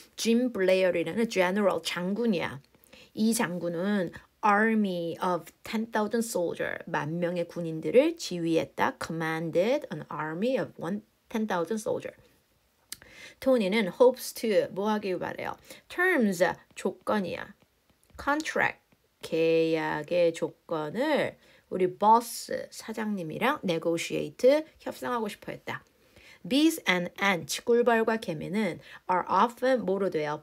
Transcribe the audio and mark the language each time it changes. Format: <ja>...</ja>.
<ko>Jim Blair이라는 general 장군이야. 이 장군은</ko> <en>Army of 10,000 soldiers,</en> <ko>만 명의 군인들을 지휘했다.</ko> <en>Commanded an army of 10,000 soldiers.</en> <ko>토니는</ko> <en>hopes to</en> <ko>뭐 하길 바래요. Terms 조건이야. Contract 계약의 조건을 우리 boss 사장님이랑 negotiate 협상하고 싶어 했다.</ko> <en>Bees and ants</en> <ko>꿀벌과 개미는</ko> <en>are often</en> <ko>뭐로 돼요?</ko>